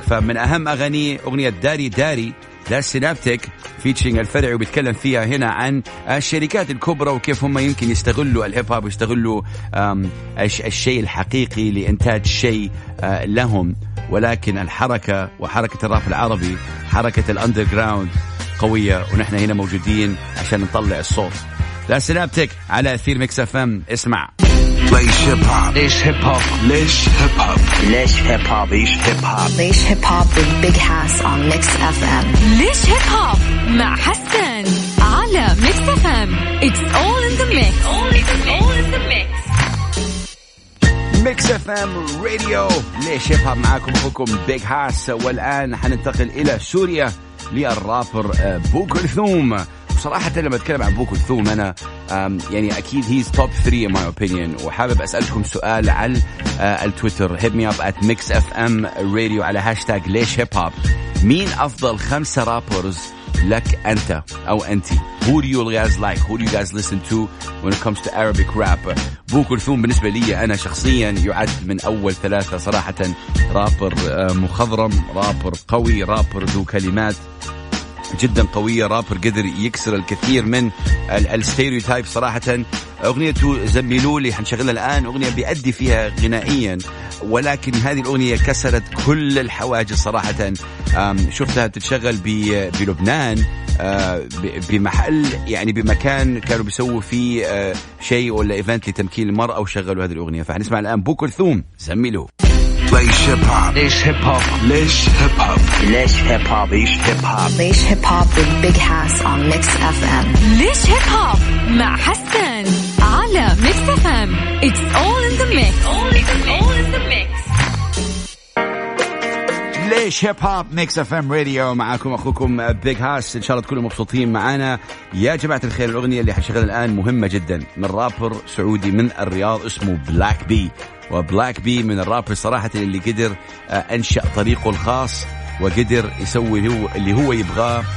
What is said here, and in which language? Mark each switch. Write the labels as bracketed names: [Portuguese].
[Arabic] فمن أهم أغاني أغنية داري داري That's Synaptic featuring الفرعي, وبيتكلم فيها هنا عن الشركات الكبرى وكيف هم يمكن يستغلوا الهيب هوب ويستغلوا الشيء الحقيقي لإنتاج شيء لهم. ولكن الحركة وحركة الراب العربي حركة الأندرغراوند قوية, ونحن هنا موجودين عشان نطلع الصوت. That's Synaptic على أثير Mix FM. اسمع ليش هيب هوب ليش هيب هوب ليش هيب هوب ليش هيب هوب ليش هيب هوب [English] ليش hip hop with Big Hass on Mix FM. [Arabic] ليش هيب هوب مع حسن على Mix FM. [English] It's all in the mix. [Arabic] Mix FM Radio. ليش هيب هوب معاكم أخوكم Big Hass. والآن حننتقل إلى سوريا للرابر أبو كلثوم. بصراحة لما أتكلم عن أبو كلثوم أنا يعني أكيد [English] he's top 3 in my opinion. [Arabic] وحابب أسألكم سؤال على التويتر, [English] hit me up at mixfm radio [Arabic] على هاشتاج ليش هيب هوب. مين أفضل خمسة رابرز لك أنت أو أنتي؟ [English] Who do you guys like? Who do you guys listen to when it comes to Arabic rap? [Arabic] أبو كلثوم بالنسبة لي أنا شخصيا يعد من أول ثلاثة صراحة, رابر مخضرم, رابر قوي, رابر ذو كلمات جدا قوية, رابر قدر يكسر الكثير من الستيريوتايب صراحة. أغنية زميلولي حنشغلها الآن, أغنية بيأدي فيها غنائيا ولكن هذه الأغنية كسرت كل الحواجز صراحة. شفتها تتشغل بلبنان بمحل يعني بمكان كانوا بيسووا فيه شيء ولا إيفنت لتمكين المرأة وشغلوا هذه الأغنية. فحنسمع الآن أبو كلثوم زميلو. Laish Hip Hop. Laish Hip Hop. Laish Hip Hop. Laish Hip Hop. Laish Hip Hop. [English] Laish Hip Hop with Big Hass on Mix FM. [Arabic] Laish Hip Hop. مع حسن على Mix FM. [English] It's all in the mix. All in the mix. [Arabic] ليش هيب هوب ميكس اف ام راديو, معاكم اخوكم بيج هاس. ان شاء الله تكونوا مبسوطين معانا يا جماعه الخير. الاغنيه اللي حشغلها الان مهمه جدا من رابر سعودي من الرياض اسمه بلاك بي, وبلاك بي من الرابر صراحه اللي قدر انشا طريقه الخاص وقدر يسوي هو اللي هو يبغاه.